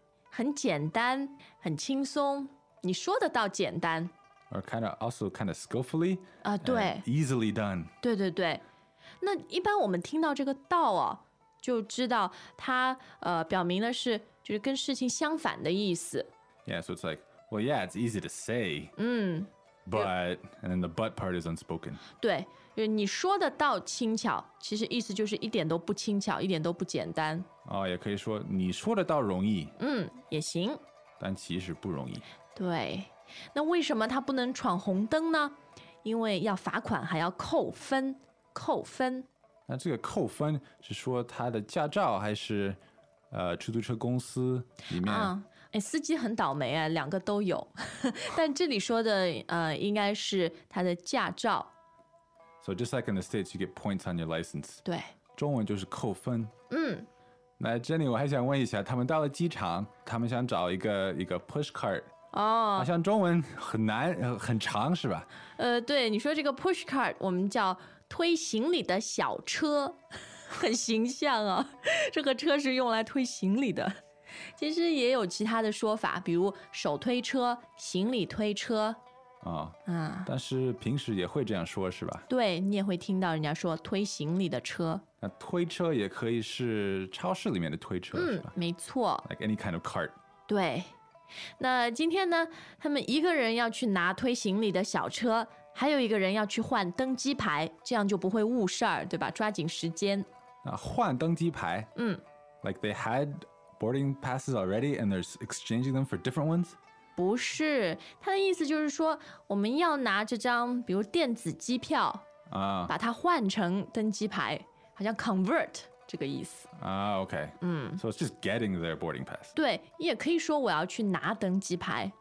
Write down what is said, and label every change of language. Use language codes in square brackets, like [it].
[zh] 很简单很轻松你说的倒简单 [en] Or kind of also kind of skillfully, [zh] ,对, [en] easily done. [zh] 对对对，那一般我们听到这个道哦，就知道它表明的是就是跟事情相反的意思。 [en] Yeah, so it's like, well, yeah, it's easy to say. 嗯。 But and then the but part is unspoken. [zh] 对，就是你说的道轻巧，其实意思就是一点都不轻巧，一点都不简单。哦，也可以说你说的道容易。嗯，也行。但其实不容易。对。那为什么他不能闯红灯呢因为要罚款还要扣分扣分那这个扣分是说他的驾照还是出租车公司里面司机很倒霉啊两个都有但这里说的应该是他的驾照 [en] So just like in the States you get points on your license [zh] 对中文就是扣分嗯那这里我还想问一下他们到了机场他们想找一个 [en] push cart [zh] 好像中文很难很长是吧对你说这个 [en] push cart [zh] 我们叫推行李的小车很形象啊这个车是用来推行李的其实也有其他的说法比如手推车行李推车但是平时也会这样说是吧对你也会听到人家说推行李的车那推车也可以是超市里面的推车是吧没错 [en] like any kind of cart [zh] 对那今天呢，他们一个人要去拿推行李的小车，还有一个人要去换登机牌，这样就不会误事儿，对吧？抓紧时间。那换登机牌？嗯。 [en] Like they had boarding passes already and they're exchanging them for different ones? [zh] 不是，他的意思就是说，我们要拿这张，比如电子机票，把它换成登机牌，好像 convert 这个意思。 [en] Okay. So it's just getting their boarding pass. [zh] 对，也可以说我要去拿登机牌。